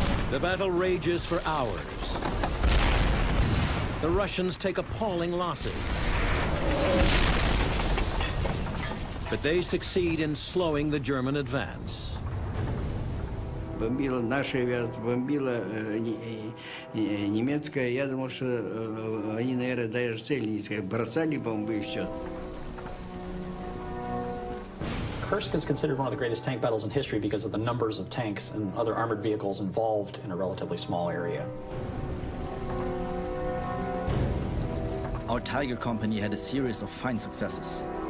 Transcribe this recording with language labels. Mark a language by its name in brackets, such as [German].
[English] The battle rages for hours. The Russians take appalling losses. But they succeed in slowing the German advance. [Russian] Бомбила наша авиация, бомбила немецкая. Я думал, что они, наверное, даже цели не искали. Бросали бомбы и все. [English] Kursk is considered one of the greatest tank battles in history because of the numbers of tanks and other armored vehicles involved in a relatively small area. Our Tiger company had a series of fine successes.